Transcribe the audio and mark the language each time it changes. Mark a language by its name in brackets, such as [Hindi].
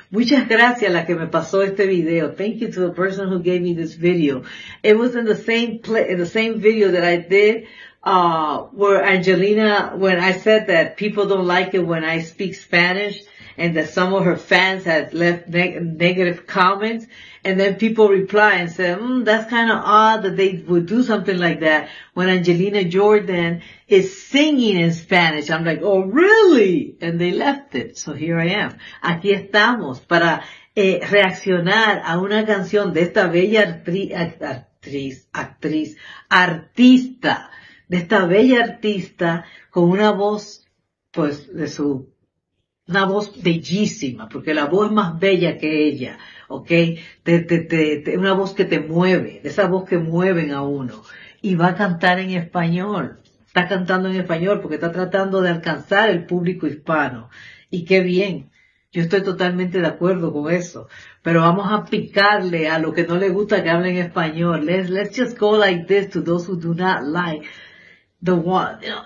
[Spanish] Muchas gracias a la que me pasó este video. [English] Thank you to the person who gave me this video. It was in the same video that I did, where Angelina, when I said that people don't like it when I speak Spanish, and that some of her fans had left negative comments. And then people reply and say, that's kind of odd that they would do something like that when Angelina Jordan is singing in Spanish. I'm like, oh, really? And they left it. So here I am. [Spanish] Aquí estamos para reaccionar a una canción de esta bella artista, de esta bella artista con una voz, pues, de su... Una voz bellísima, porque la voz es más bella que ella, ¿ok? Una voz que te mueve, esa voz que mueven a uno. Y va a cantar en español. Está cantando en español porque está tratando de alcanzar el público hispano. Y qué bien. Yo estoy totalmente de acuerdo con eso. Pero vamos a picarle a lo que no le gusta que hable en español. [English] Let's just go like this to those who do not like the one.